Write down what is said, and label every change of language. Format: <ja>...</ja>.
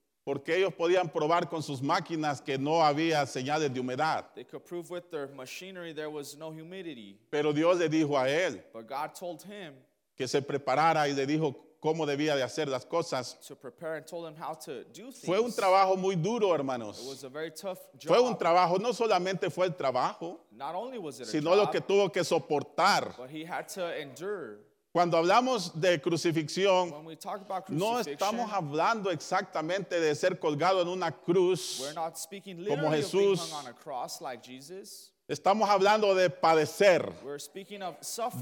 <es>Porque ellos podían probar con sus máquinas que no había señales de humedad.</es> <en>They could prove with their machinery there was no humidity.</en> <es>Pero Dios le dijo a él.</es> <en>But God told him.</en> <es>Que se preparara y le dijo cómo debía de hacer las cosas.</es> <en>To prepare and told him how to do things.</en> <es>Fue un trabajo muy duro, hermanos.</es> <en>It was a very tough job.</en> <es>Fue un trabajo, no solamente fue el trabajo,</es> <en>not only was it</en> <es>sino</es> <en>a job,</en> <es>lo que tuvo que soportar.</es> <en>But he had to endure.</en> <es>Cuando hablamos de crucifixión,</es> <en>when we talk about crucifixion,</en> <es>no estamos hablando exactamente de ser colgado en una cruz,</es> <en>we're not speaking literally</en> <es>como Jesús.</es> <en>Of being hung on a cross like Jesus.</en> <es>Estamos hablando de padecer,</es> <en>we're speaking of suffering.</en>